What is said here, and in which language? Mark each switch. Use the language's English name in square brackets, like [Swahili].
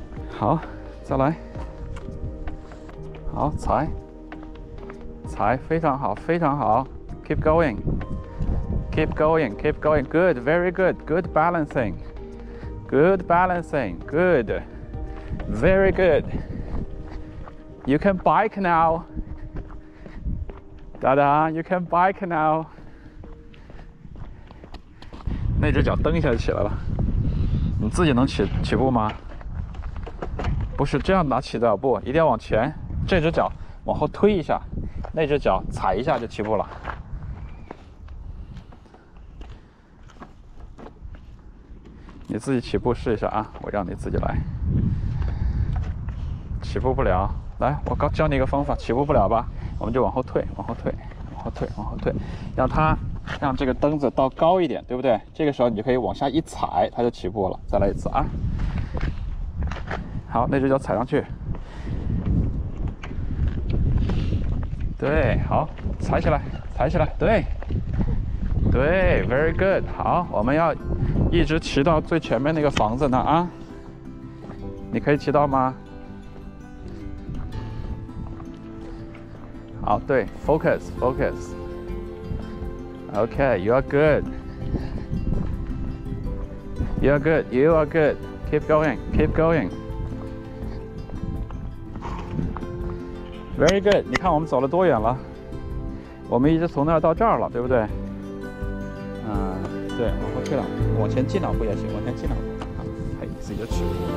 [Chinese] 好，再来，好，踩，踩，非常好，非常好 [English] ，keep going， keep going， keep going， good， very good， good balancing， good balancing， good， very good， you can bike now， Dada， you can bike now， [Chinese] 那只脚蹬一下就起来了，你自己能起步吗？不是这样拿起的，不，一定要往前，这只脚往后推一下，那只脚踩一下就起步了。你自己起步试一下啊，我让你自己来。起步不了，来，我刚教你一个方法，起步不了吧，我们就往后退，往后退，往后退，往后退，让这个蹬子到高一点，对不对？这个时候你就可以往下一踩，它就起步了。再来一次啊。好，那只脚踩上去，对，好，踩起来，踩起来，对，对 ， [English] very good， [Chinese] 好，我们要一直骑到最前面那个房子呢啊，你可以骑到吗？好，对 [English] ，focus，focus，OK，you、okay, are good，you are good，you are good，keep going，keep going。 Very good， [Chinese] 你看我们走了多远了？我们一直从那儿到这儿了，对不对？对，往后退了，往前进两步也行，往前进两步，嘿，自己就起步了。